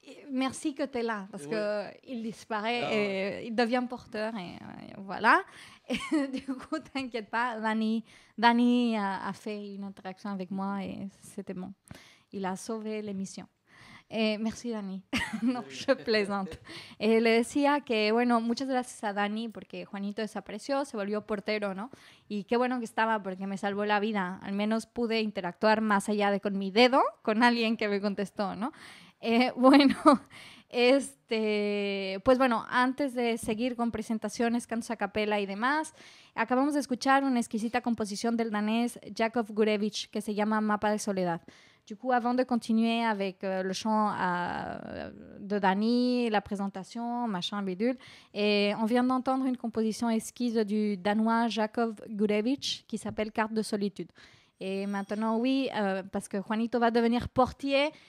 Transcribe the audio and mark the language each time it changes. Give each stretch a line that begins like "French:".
French: Merci que tu es là, parce qu'il disparaît, et il devient porteur. Et voilà. Du coup, t'inquiète pas, Dani a fait une interaction avec moi et c'était bon. Il a sauvé l'émission. Et merci, Dani. Non, je plaisante.
Spanish: Et le decía que, bueno, muchas gracias a Dani porque Juanito desapareció, se volvió portero, ¿no? Y qué bueno que estaba porque me salvó la vida. Al menos pude interactuar más allá de con mi dedo, con alguien que me contestó, ¿no? Bueno, pues bueno, antes de seguir con presentaciones, cantos a capela y demás, acabamos de escuchar una exquisita composición del danés Jakob Gurevich que se llama Mapa de Soledad.
French: Du coup, avant de continuer avec le chant de Dani, la présentation, machin, bidule, et on vient d'entendre une composition exquise du danois Jakob Gurevich qui s'appelle Carte de solitude. Et maintenant, oui, parce que Juanito va devenir portier.